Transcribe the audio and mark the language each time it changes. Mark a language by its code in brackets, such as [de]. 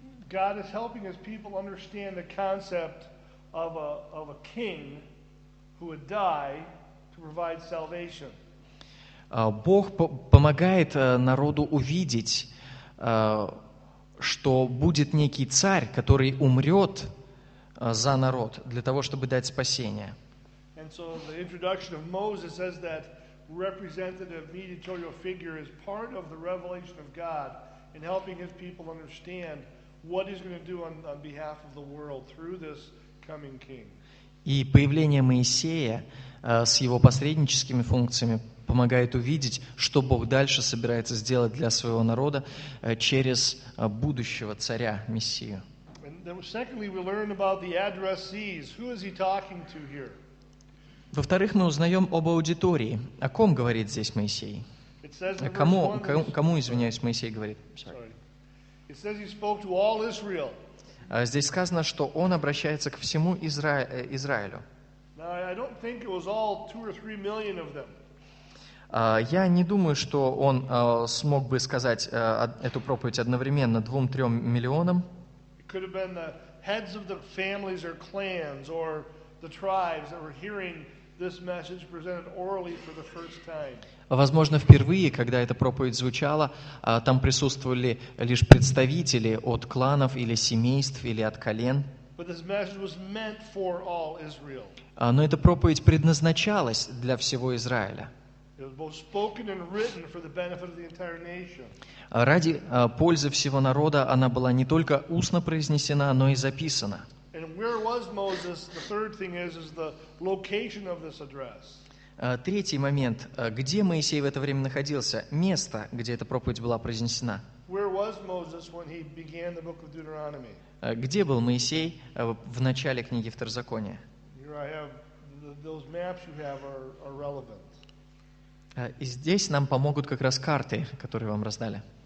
[en] God is helping his people understand the concept of a king who would die to provide salvation. [ru] Бог помогает народу увидеть, что будет некий царь, который умрет за народ, для того, чтобы дать спасение. [en] And so the introduction of Moses says that representative mediatorial figure is part of the revelation of God in helping his people understand what he's going to do on behalf of the world through this coming king. [ru] И появление Моисея с его посредническими функциями помогает увидеть, что Бог дальше собирается сделать для своего народа через будущего царя, Мессию. [en] Secondly, we learn about the addressees. Who is he talking to here? [ru] Во-вторых, мы узнаем об аудитории. О ком говорит здесь Моисей? Моисей говорит? [en] Sorry. It says he spoke to all Israel. [ru] Здесь сказано, что он обращается к всему Израилю. [en] Now, I don't think it was all 2 or 3 million of them. [ru] Я не думаю, что он смог бы сказать эту проповедь одновременно 2-3 миллионам. [en] It could have been the heads of the families or clans or the tribes that were hearing this message presented orally for the first time. [ru] Возможно, впервые, когда эта проповедь звучала, там присутствовали лишь представители от кланов или семейств или от колен. [en] But this message was meant for all Israel. [ru] Но эта проповедь предназначалась для всего Израиля. [en] It was both spoken and written for the benefit of the entire nation. [ru] Ради пользы всего народа она была не только устно произнесена, но и записана. [en] And where was Moses? The third thing is the location of this address. [ru] Третий момент. Где Моисей в это время находился? Место, где эта проповедь была произнесена. [en] Where was Moses when he began the book of Deuteronomy? [ru] Где был Моисей в начале книги Второзакония? [en] Here I have those maps you have are relevant. [ru] И здесь нам помогут как раз карты, которые вам раздали.